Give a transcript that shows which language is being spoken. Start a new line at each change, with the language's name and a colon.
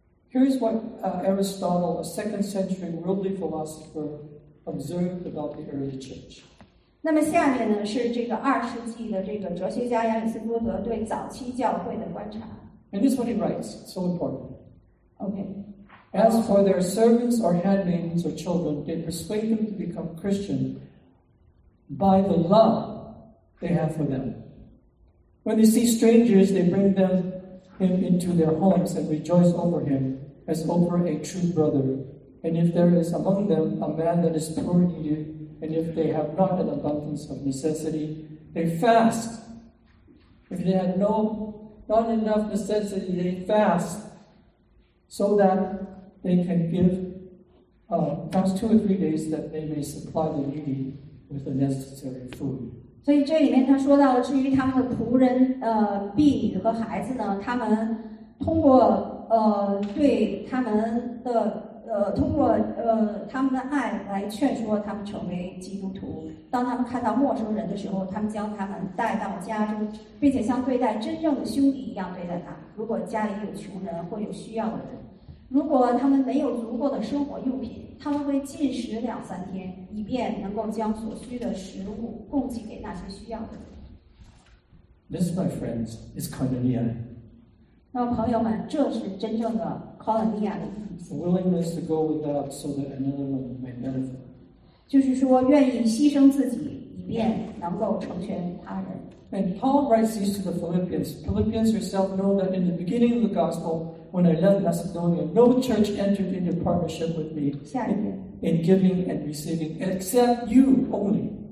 English: Here's what Aristotle, a second century worldly philosopher, observed about the early church.
Chinese: 那么下面呢是这个二世纪的这个哲学家亚里士多德对早期教会的观察。
English: And this is what he writes. So important. Okay. As for their servants or handmaidens or children, they persuade them to become Christian by the love they have for them. When they see strangers, they bring them him into their homes and rejoice over him as over a true brother. And if there is among them a man that is poor and needy, and if they have not an abundance of necessity, they fast. If they had not enough necessity, they fast so that they can give fast 2 or 3 days that they may supply the needy with the necessary food.
Chinese: 所以这里面他说到了，至于他们的仆人、婢女和孩子呢，他们通过对他们的通过他们的爱来劝说他们成为基督徒。当他们看到陌生人的时候，他们将他们带到家中，并且像对待真正的兄弟一样对待他。如果家里有穷人或有需要的人，如果他们没有足够的生活用品。他们会禁食两三天，以便能够将所需的食物供给给那些需要的人。
English: This, my friends, is koinonia.
Chinese: 那朋友们，这是真正的 koinonia 的意思。
English: Willingness to go without so that another one may benefit.
Chinese: 就是说，愿意牺牲自己，以便能够成全他人。
English: And Paul writes this to the Philippians. Philippians yourself know that in the beginning of the gospel. When I left Macedonia, no church entered into partnership with me in giving and receiving, except you only.